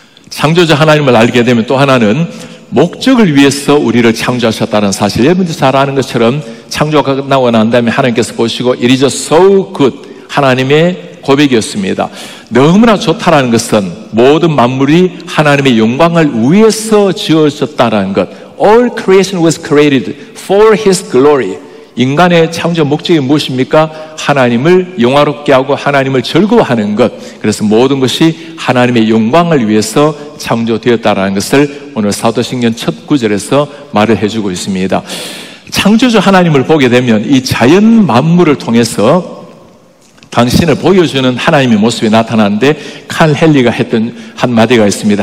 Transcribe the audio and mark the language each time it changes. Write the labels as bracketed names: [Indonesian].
[Korean] 창조주 하나님을 알게 되면 또 하나는 목적을 위해서 우리를 창조하셨다는 사실. 여러분들 잘 아는 것처럼 창조가 끝나고 난 다음에 하나님께서 보시고 [English] It is so good. [Korean] 하나님의 고백이었습니다. 너무나 좋다라는 것은 모든 만물이 하나님의 영광을 위해서 지어졌다라는 것. [English] All creation was created for His glory. [Korean] 인간의 창조 목적이 무엇입니까? 하나님을 영화롭게 하고 하나님을 즐거워하는 것. 그래서 모든 것이 하나님의 영광을 위해서 창조되었다라는 것을 오늘 사도신경 첫 구절에서 말을 해주고 있습니다. 창조주 하나님을 보게 되면 이 자연 만물을 통해서 당신을 보여주는 하나님의 모습이 나타나는데 칼 헨리가 했던 한마디가 있습니다.